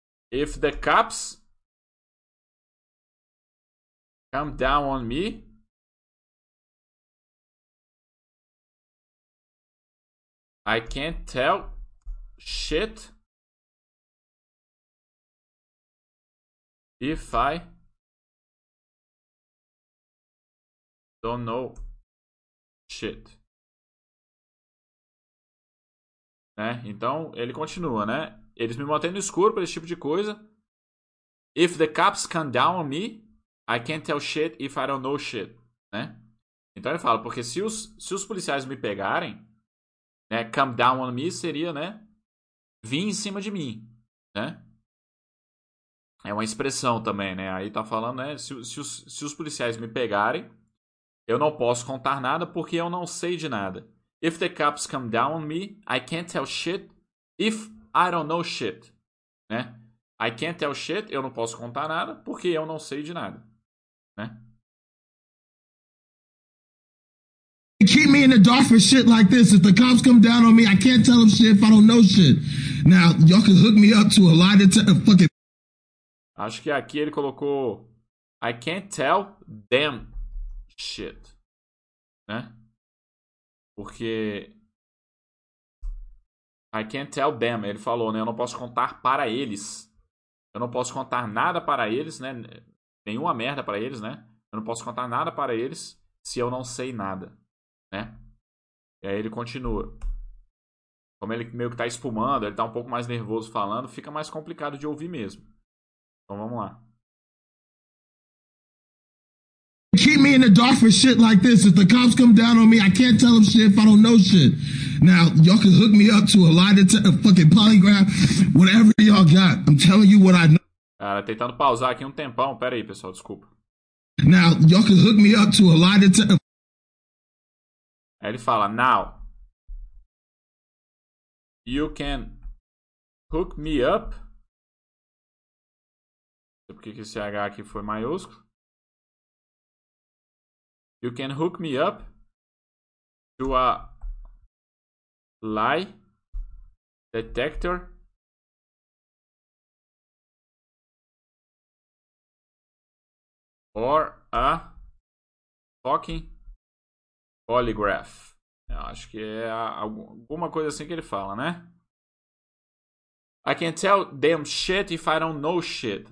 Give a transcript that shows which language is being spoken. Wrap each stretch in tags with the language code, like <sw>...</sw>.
<en>If the cops come down on me, I can't tell shit if I don't know shit.</en> <pt>Né? Então, ele continua, né? Eles me mantêm no escuro para esse tipo de coisa.</pt> <en>If the cops come down on me, I can't tell shit if I don't know shit, né?</en> <pt>Então ele fala, porque se os policiais me pegarem, né,</pt> <en>come down on me</en> <pt>seria, né, vir em cima de mim, né? É uma expressão também, né? Aí tá falando, né, se os policiais me pegarem, eu não posso contar nada porque eu não sei de nada.</pt> <en>If the cops come down on me, I can't tell shit if I don't know shit, né? I can't tell shit,</en> <pt>eu não posso contar nada, porque eu não sei de nada, né?</pt> <en>They keep me in the dark for shit like this. If the cops come down on me, I can't tell them shit if I don't know shit. Now, y'all can hook me up to a lie detector fucking...</en> <pt>Acho que aqui ele colocou,</pt> <en>I can't tell them shit,</en> <pt>né? Porque...</pt> <en>I can't tell them,</en> <pt>ele falou, né? Eu não posso contar para eles. Eu não posso contar nada para eles, né? Nenhuma merda para eles, né? Eu não posso contar nada para eles se eu não sei nada, né? E aí ele continua. Como ele meio que tá espumando, ele tá um pouco mais nervoso falando, fica mais complicado de ouvir mesmo. Então vamos lá.</pt> <en>Keep me in the dark for shit like this. If the cops come down on me, I can't tell them shit if I don't know shit. Now, y'all can hook me up to a lie detector, fucking polygraph, whatever y'all got. I'm telling you what I know.</en> <pt>Cara, tentando pausar aqui um tempão. Pera aí, pessoal, desculpa.</pt> <en>Now, y'all can hook me up to a lie detector.</en> <pt>Aí ele fala,</pt> <en>now, you can hook me up.</en> <pt>Não sei por que esse H aqui foi maiúsculo.</pt> <en>You can hook me up to a lie detector. Or a fucking polygraph.</en> <pt>Eu acho que é alguma coisa assim que ele fala, né?</pt> <en>I can tell them shit if I don't know shit.</en>